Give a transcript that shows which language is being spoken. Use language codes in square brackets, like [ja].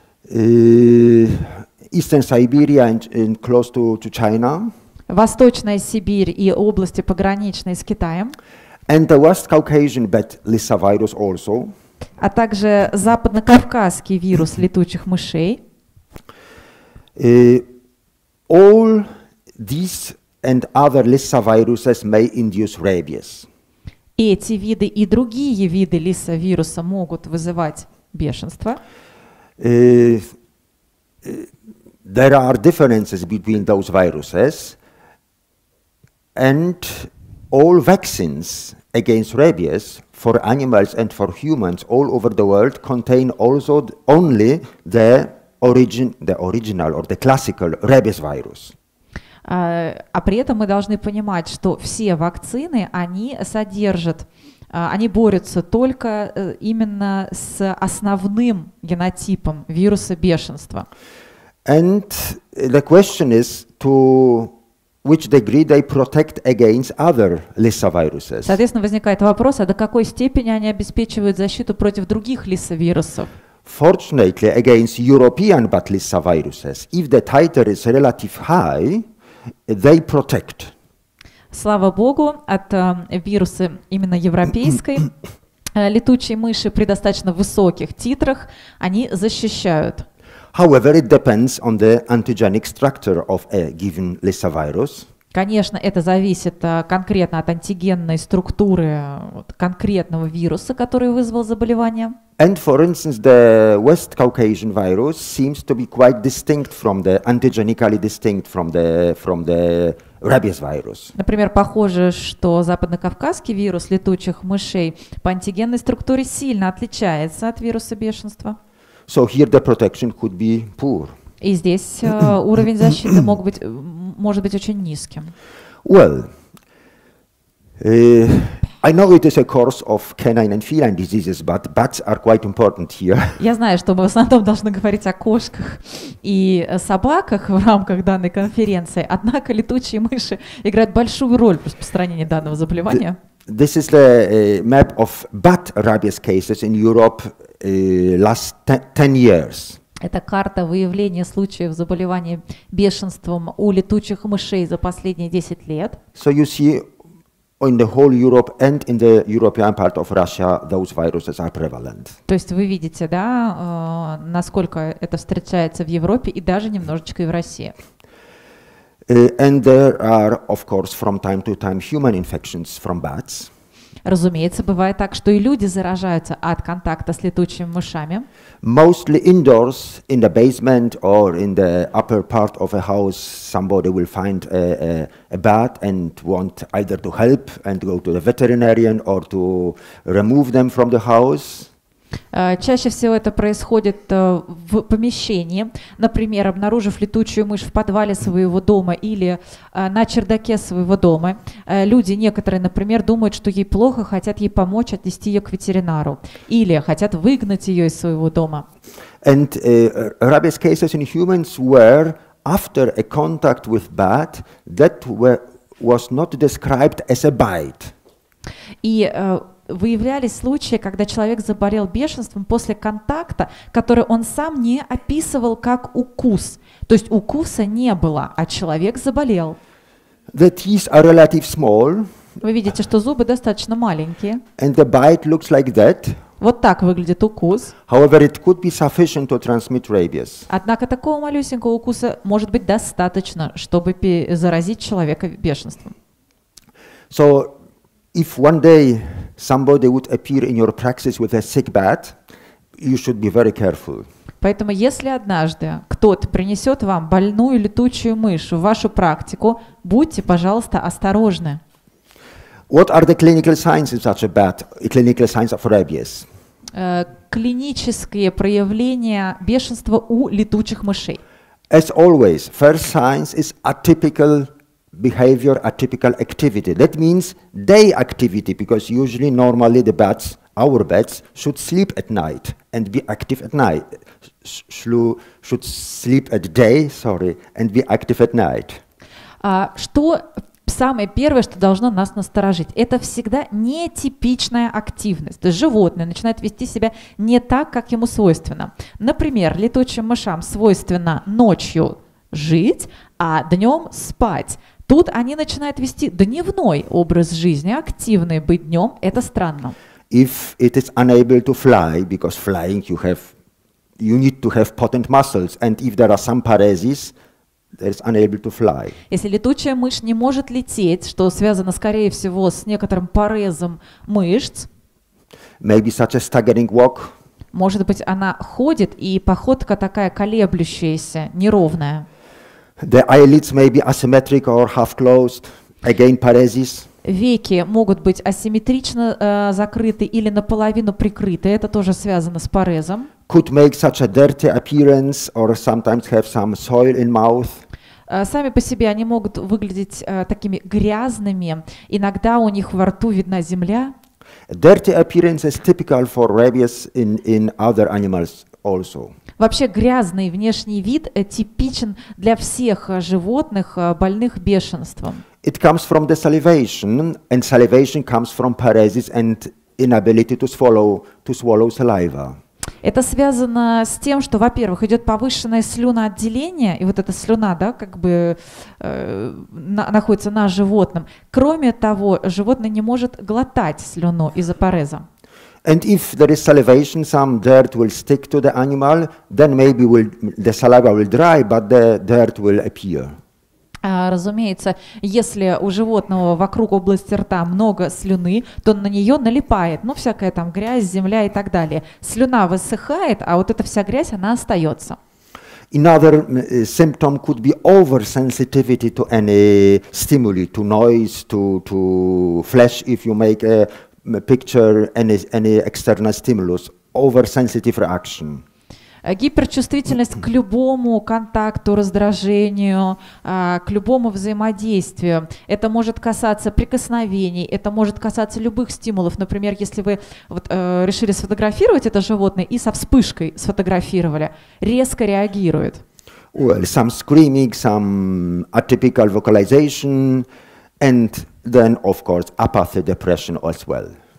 [en] Eastern Siberia and close to China. [ru] Восточная Сибирь и области пограничные с Китаем. [en] And the West Caucasian bat lysavirus also. [ru] А также западно-кавказский вирус летучих мышей. [en] All these and other lysaviruses may induce rabies. [ru] Эти виды и другие виды лисавируса могут вызывать бешенство. [en] There are differences between those viruses, and all vaccines against rabies for animals and for humans all over the world contain also only the original or the classical rabies virus. [ru] А при этом мы должны понимать, что все вакцины, они содержат, они борются только именно с основным генотипом вируса бешенства. [en] And the question is to which degree they protect against other lysaviruses. [ru] Соответственно, возникает вопрос, а до какой степени они обеспечивают защиту против других лисавирусов? [en] Fortunately, against European bat lysaviruses, if the titer is relatively high, they protect. [ru] Слава Богу, от вируса именно европейской летучей мыши при достаточно высоких титрах они защищают. [en] However, it depends on the antigenic structure of a given lysavirus. [ru] Конечно, это зависит конкретно от антигенной структуры конкретного вируса, который вызвал заболевание. [en] And for instance, the West Caucasian virus seems to be quite distinct from the antigenically distinct from the rabies virus. [ru] Например, похоже, что западно-кавказский вирус летучих мышей по антигенной структуре сильно отличается от вируса бешенства. [en] So here the protection could be poor. [ru] И здесь уровень защиты мог быть может быть очень низким? [en] Well, I know it is a course of canine and feline diseases, but bats are quite important here. [ru] Я знаю, что мы в основном должны говорить о кошках и собаках в рамках данной конференции, однако летучие мыши играют большую роль в распространении данного заболевания. [en] This is the map of bat rabies cases in Europe last 10 years. [ru] Это карта выявления случаев заболевания бешенством у летучих мышей за последние 10 лет. [en] So you see, in the whole Europe and in the European part of Russia, those viruses are prevalent. [ru] То есть вы видите, да, насколько это встречается в Европе и даже немножечко и в России. [en] And there are, of course, from time to time, human infections from bats. [ru] Разумеется, бывает так, что и люди заражаются от контакта с летучими мышами. [en] Mostly indoors, in the basement or in the upper part of a house, somebody will find a bat and want either to help and go to the veterinarian or to remove them from the house. [ru] Чаще всего это происходит в помещении, например, обнаружив летучую мышь в подвале своего дома или на чердаке своего дома. Люди некоторые, например, думают, что ей плохо, хотят ей помочь, отнести ее к ветеринару или хотят выгнать ее из своего дома. [en] And rabies cases in humans were after a contact with bat that was not described as a bite. [ru] И выявлялись случаи, когда человек заболел бешенством после контакта, который он сам не описывал как укус. То есть укуса не было, а человек заболел. [en] The teeth are relatively small. [ru] Вы видите, что зубы достаточно маленькие. [en] And the bite looks like that. [ru] Вот так выглядит укус. [en] However, it could be sufficient to transmit rabies. [ru] Однако такого малюсенького укуса может быть достаточно, чтобы заразить человека бешенством. [en] So, if one day somebody would appear in your practice with a sick bat, you should be very careful. [ru] Поэтому, если однажды кто-то принесет вам больную летучую мышь в вашу практику, будьте, пожалуйста, осторожны. [en] What are the clinical signs of such a bat? Clinical signs of rabies. [ru] Клинические проявления бешенства у летучих мышей. [en] As always, first signs is atypical behavior, atypical activity. That means day activity, because usually, normally, the bats, our bats, should sleep at night and be active at night. Should sleep at day, sorry, and be active at night. [ru] Что самое первое, что должно нас насторожить? Это всегда нетипичная активность. Животное начинает вести себя не так, как ему свойственно. Например, летучим мышам свойственно ночью жить, а днем спать. Тут они начинают вести дневной образ жизни, активные быть днем, это странно. [en] If it is unable to fly, because flying you need to have potent muscles, and if there are some paresis, it is unable to fly. [ru] Если летучая мышь не может лететь, что связано, скорее всего, с некоторым парезом мышц. [en] Maybe such a staggering walk. [ru] Может быть, она ходит и походка такая колеблющаяся, неровная. [en] The eyelids may be asymmetric or half closed. Again, paresis. [ru] Веки могут быть асимметрично закрыты или наполовину прикрыты. Это тоже связано с парезом. [en] Could make such a dirty appearance or sometimes have some soil in mouth. [ru] Сами по себе они могут выглядеть такими грязными. Иногда у них во рту видна земля. [en] Dirty appearance is typical for rabies in other animals also. [ru] Вообще грязный внешний вид типичен для всех животных, больных бешенством. [en] It comes from the salivation, and salivation comes from paresis and inability to swallow saliva. [ru] Это связано с тем, что, во-первых, идет повышенное слюноотделение, и вот эта слюна, да, как бы находится на животном. Кроме того, животное не может глотать слюну из-за пареза. [en] And if there is salivation, some dirt will stick to the animal, then maybe the saliva will dry, but the dirt will appear. [ru] Разумеется, если у животного вокруг области рта много слюны, то на нее налипает, ну, всякая там грязь, земля и так далее. Слюна высыхает, а вот эта вся грязь, она остается. [en] Another symptom could be oversensitivity to any stimuli, to noise, to flash, if you make a picture any external stimulus, oversensitive reaction. [ru] Гиперчувствительность к любому контакту, раздражению, к любому взаимодействию. Это может касаться прикосновений, это может касаться любых стимулов. Например, если вы вот, решили сфотографировать это животное и со вспышкой сфотографировали, резко реагирует. [en] Well, some screaming, some atypical vocalization, and then, of course, apathy, depression as well.